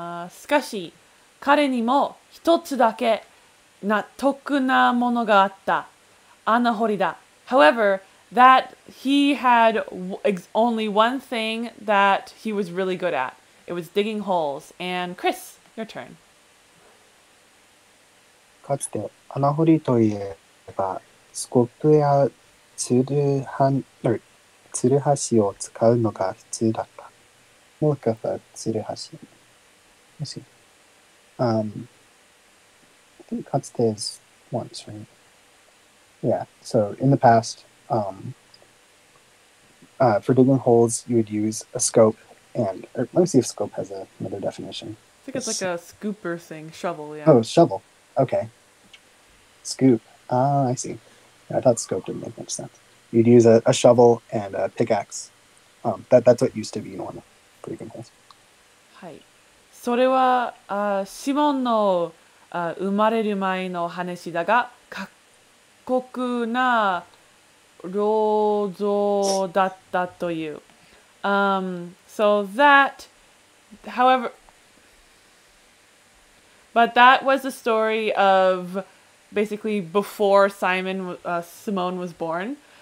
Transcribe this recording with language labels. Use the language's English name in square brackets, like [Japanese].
[Japanese] しかし、彼にも一つだけ納得なものがあった。穴掘りだ。 [English] However,that he had only one thing that he was really good at. It was digging holes. And Chris, your turn. [Japanese] かつて穴掘りといえばスコップやツルハシを使うのが普通だった。もう一回はツルハシ。もし。かつて [English] is once, right? Yeah, so in the past,for digging holes, you would use a scope and, or let me see if scope has another definition. I think it's like a scooper thing, shovel, yeah. Oh, shovel. Okay. Scoop. Ah, I see. I thought scope didn't make much sense. You'd use a shovel and a pickaxe. That's what used to be normal for digging holes. [Japanese] はい。それは、シモンの、生まれる前の話だが、過酷な労働だったという。 [English] So that, however, but that was the story of basically before Simone was born.